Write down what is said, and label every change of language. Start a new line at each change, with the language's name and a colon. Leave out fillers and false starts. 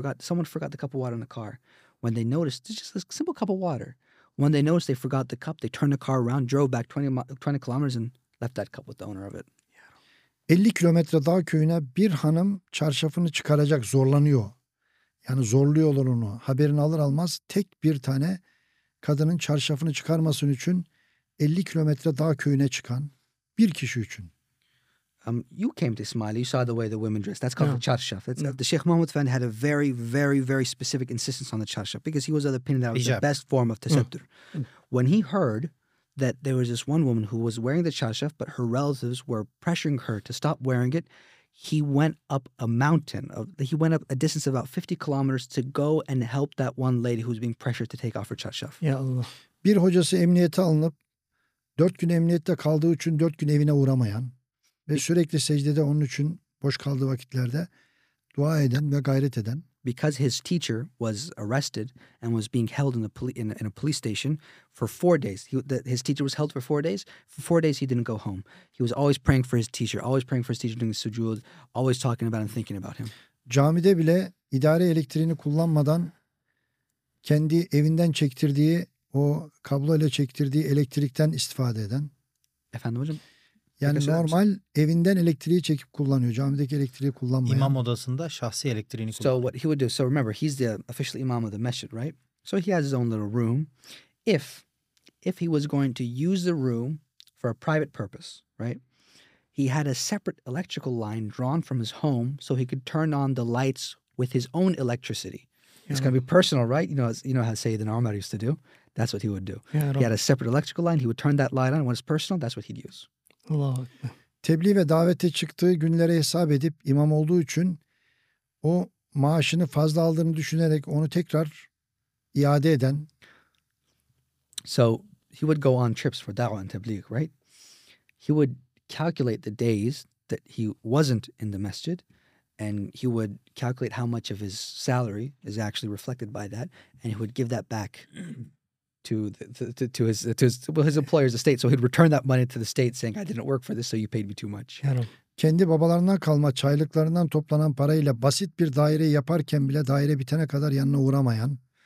English: Someone forgot the cup of water in the car. When they noticed, it's just a simple cup of water. When they noticed they forgot the cup, they turned the car around, drove back 20 kilometers and left that cup with the owner of it.
Turkish: 50 kilometre dağ köyüne bir hanım çarşafını çıkaracak zorlanıyor. Yani zorluyorlar onu. Haberini alır almaz tek bir tane kadının çarşafını çıkarmasın için 50 kilometre dağ köyüne çıkan bir kişi için.
English: You came to Ismaili, you saw the way the women dressed. That's called the çarşaf. The Sheikh Mahmud Efendi had a very, very, very specific insistence on the çarşaf because he was of the opinion that was the best form of tesettür. When he heard that there was this one woman who was wearing the çarşaf, but her relatives were pressuring her to stop wearing it, he went up a mountain. He went up a distance of about 50 kilometers to go and help that one lady who was being pressured to take off her çarşaf.
Turkish: Ya Allah. Bir hocası emniyete alınıp, 4 gün emniyette kaldığı için 4 gün evine uğramayan, ve sürekli secdede onun için boş kaldığı vakitlerde dua eden ve gayret eden
English: because his teacher was arrested and was being held in the in a police station for 4 days. His teacher was held for 4 days. For 4 days, he didn't go home. He was always praying for his teacher, always praying for his teacher during the sujood, always talking about and thinking about him.
Turkish: Camide bile idare elektriğini kullanmadan kendi evinden çektirdiği o kablo ile çektirdiği elektrikten istifade eden. Efendim hocam. Yani normal evinden elektriği çekip kullanıyor. Camideki elektriği kullanmayan. İmam odasında şahsi elektriğini kullanıyor.
English: So what he would do, so remember, he's the official imam of the masjid, right? So he has his own little room. If he was going to use the room for a private purpose, right? He had a separate electrical line drawn from his home so he could turn on the lights with his own electricity. Yeah. It's going to be personal, right? You know how Sayyidina Umar used to do? That's what he would do. Yeah, he had a separate electrical line. He would turn that light on. When it's personal, that's what he'd use.
Turkish: Tebliğ ve davete çıktığı günlere hesap edip imam olduğu için o maaşını fazla aldığını düşünerek onu tekrar iade eden.
English: So he would go on trips for da'wah and tebliğ, right? He would calculate the days that he wasn't in the masjid and he would calculate how much of his salary is actually reflected by that and he would give that back. To his employer's estate, so he'd return that money to the state, saying, "I didn't work for this, so you paid me too much."
Turkish: Kendi babalarından kalma çaylıklarından toplanan parayla basit bir daire yaparken bile daire bitene kadar yanına uğramayan.